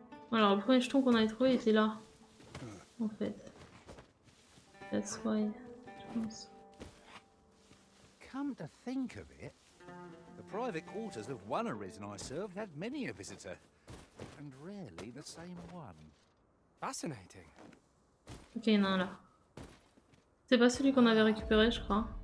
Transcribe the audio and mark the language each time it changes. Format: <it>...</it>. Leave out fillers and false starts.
<fr>Alors, le premier jeton qu'on avait trouvé était là, en fait.</fr> <en>That's why,</en> <fr>je pense.</fr> <en>Come to think of it, the private quarters of one Arisen I served had many a visitor, and rarely the same one. Fascinating.</en> <fr>Ok, il y en a un là. C'est pas celui qu'on avait récupéré, je crois.</fr>